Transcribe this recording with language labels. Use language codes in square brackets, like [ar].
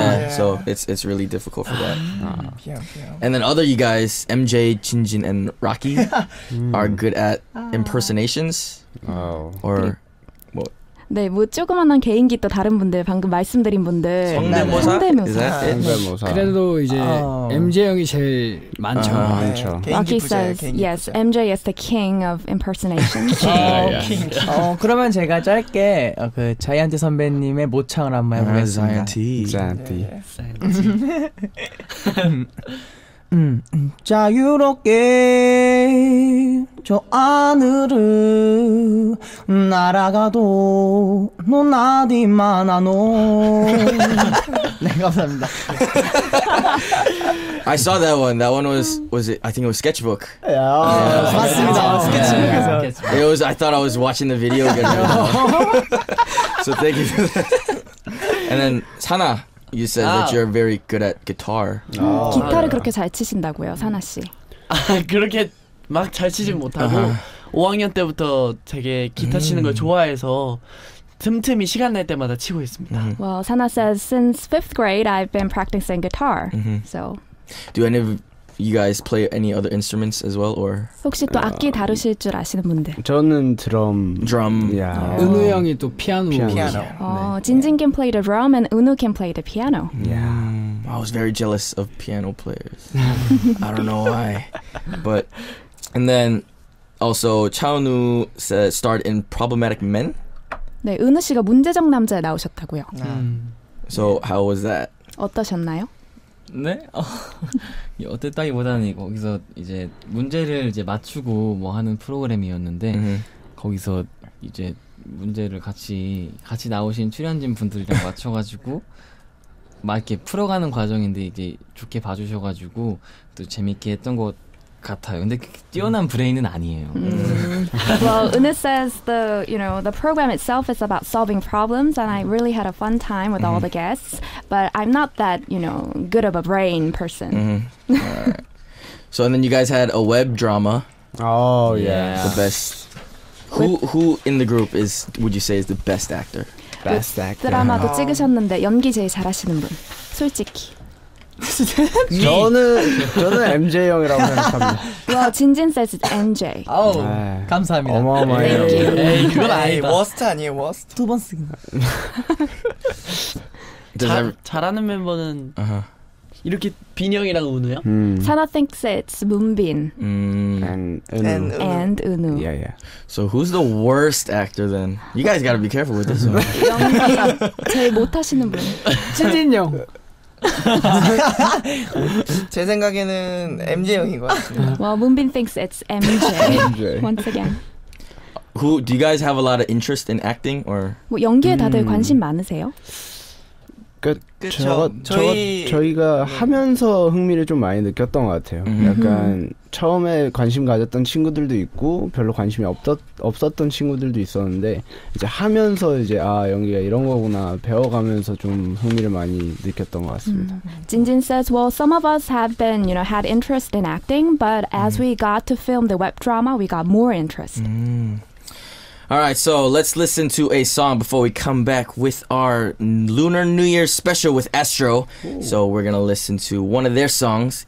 [en] So it's really difficult for that. And then other you guys, MJ, Jinjin, and Rocky are good at impersonations. Or what? [ko] 네, 뭐 조그만한 개인기 또 다른 분들 방금 말씀드린 분들 성대모사? 성대모사. 성대모사. 그래도 이제 MJ 형이 제일 많죠. 네. 많죠. Rocky says yes, MJ is the king of impersonation. King. 그러면 제가 짧게 그 자이언티 선배님의 모창을 한번 해보겠습니다. 자이언티. 자유롭게 저 하늘을 날아가도 넌 어디만 아노 네 감사합니다 [en] I saw that one. That one was it, I think it was Sketchbook. Yeah. [ko] 맞습니다. Sketchbook에서. [en] It was, I thought I was watching the video again. So thank you for that. And then 산하 You said that you're very good at guitar. [ko] 기타를 그렇게 잘 치신다고요, 산하 씨? 아, 그렇게 막 잘 치진 못하고 5학년 때부터 되게 기타 치는 걸 좋아해서 틈틈이 시간 날 때마다 치고 있습니다. [en] Well, 산하 says since fifth grade I've been practicing guitar. So, do any of you guys play any other instruments as well, or? [ko] 혹시 또 악기 다루실 줄 아시는 분들? 저는 드럼. [en] Yeah. [ko] 은우 형이 또 피아노. 피아노. [en] 진진 can play the drum and 은우 can play the piano. Yeah. I was very jealous of piano players. I don't know why, but and then also 차은우 said starred in Problematic Men. [ko] 네, 은우 씨가 문제적 남자에 나오셨다고요. So how was that? 어떠셨나요? 네? 어땠다기보다는 거기서 이제 문제를 이제 맞추고 뭐 하는 프로그램이었는데 거기서 이제 문제를 같이 나오신 출연진 분들이랑 맞춰가지고 막 이렇게 풀어가는 과정인데 이게 좋게 봐주셔가지고 또 재밌게 했던 것 같아요. 근데 뛰어난 브레인은 아니에요. [en] Well, Una says the, you know, the program itself is about solving problems and I really had a fun time with all the guests, but I'm not that, you know, good of a brain person. Right. So and then you guys had a web drama. Oh, yeah. The best. Who in the group is would you say is the best actor? Best actor. [ko] 드라마도 찍으셨는데 연기 제일 잘하시는 분. 솔직히 저는 MJ 형이라고 생각합니다. [en] Well, Jinjin says it's MJ. Oh, [ko] 네. 감사합니다. 어마어마해요. 에이, 그건 아니 워스트 아니에요, 워스트. 두 번 쓰긴. 잘하는 멤버는 이렇게 빈 형이랑 은우요? [en] Sana thinks it's Moonbin. And 은우. Yeah, yeah. So who's the worst actor then? You guys gotta be careful with this one. [ko] 제일 못하시는 분. 진진 형. 제 생각에는 MJ 형인 것 같습니다. [en] Well, Moonbin thinks it's MJ. Once again. Who do you guys have a lot of interest in acting or? [ko] 뭐 연기에 다들 관심 많으세요? 저희가 하면서 흥미를 좀 많이 느꼈던 것 같아요. 약간 처음에 관심 가졌던 친구들도 있고 별로 관심이 없었던 친구들도 있었는데 이제 하면서 이제 아 연기가 이런 거구나 배워가면서 좀 흥미를 많이 느꼈던 것 같습니다. [en] Jinjin says, well, some of us have been, you know, had interest in acting, but as we got to film the web drama, we got more interest. All right, so let's listen to a song before we come back with our Lunar New Year special with ASTRO. Ooh. So we're going to listen to one of their songs.